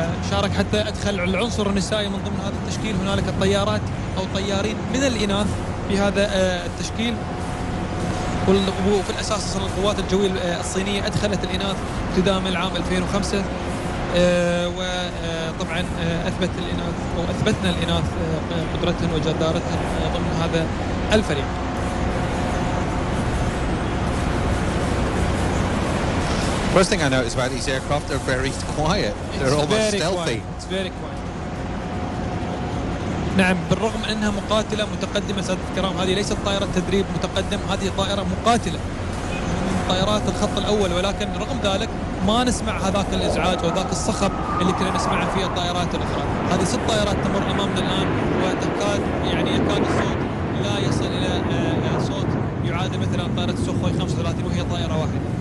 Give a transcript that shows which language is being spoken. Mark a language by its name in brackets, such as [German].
[Arabic] شارك حتى أدخل العنصر النسائي من ضمن هذا التشكيل، هنالك الطيارات أو طيارين من الإناث في هذا التشكيل، وفي الأساس القوات الجوية الصينية أدخلت الإناث ابتداء من العام 2005، وطبعا أثبتنا الإناث قدرتهم وجدارتهم ضمن هذا الفريق. [English] First thing I noticed about these aircraft, they're very quiet. They're almost stealthy. It's very quiet. [Arabic] نعم، بالرغم أنها مقاتلة متقدمة سادة الكرام، هذه ليست طائرة تدريب متقدم، هذه طائرة مقاتلة. الطائرات الخط الأول، ولكن رغم ذلك ما نسمع هذاك الإزعاج وذاك الصخب اللي كنا نسمعه في الطائرات الأخرى. هذه 6 طائرات تمر أمامنا الآن، وتكاد يعني يكاد الصوت لا يصل إلى صوت يعادل مثلا طائرة سوخوي 35، وهي طائرة واحدة.